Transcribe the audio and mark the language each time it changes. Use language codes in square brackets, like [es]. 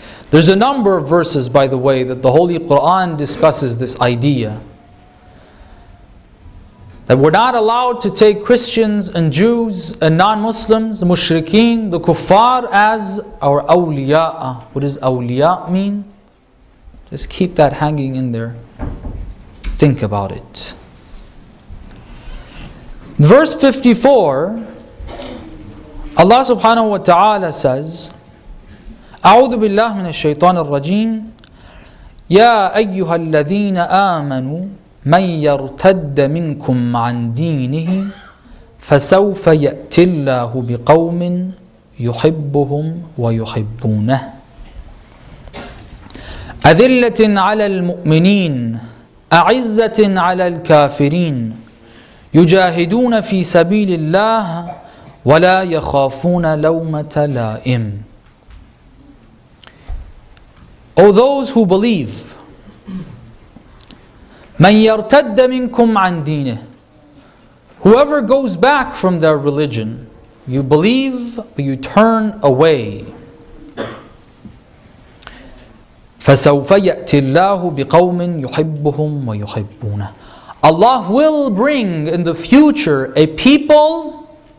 [en] There's a number of verses, by the way, that the Holy Quran discusses this idea that we're not allowed to take Christians and Jews and non-Muslims, the mushrikeen, the kuffar, as our awliya'. What does awliya' mean? Just keep that hanging in there. Think about it. Verse 54, Allah subhanahu wa ta'ala says, [ar] أعوذ بالله من الشيطان الرجيم يا أيها الذين آمنوا من يرتد منكم عن دينه فسوف يأتي الله بقوم يحبهم ويحبونه أذلة على المؤمنين أعزة على الكافرين يجاهدون في سبيل الله ولا يخافون لومة لائم. [en] O those who believe, [ar] مَنْ يَرْتَدَّ مِنْكُمْ عَنْ دِينِهِ, [en] whoever goes back from their religion, you believe but you turn away, [ar] فَسَوْفَ يَأْتِ اللَّهُ بِقَوْمٍ يُحِبُّهُمْ وَيُحِبُّونَ, [en] Allah will bring in the future a people.